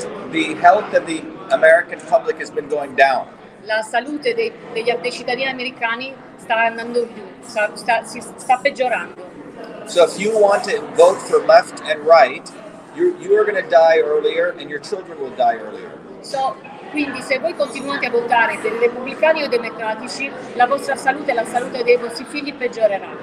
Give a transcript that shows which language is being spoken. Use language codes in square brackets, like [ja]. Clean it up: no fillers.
[en] the health of the American public has been going down. [it] La salute dei cittadini americani sta andando giù, sta peggiorando. [en] So if you want to vote for left and right, you are going to die earlier and your children will die earlier. [it] So, quindi se voi continuate a votare dei repubblicani o democratici, la vostra salute e la salute dei vostri figli peggiorerà.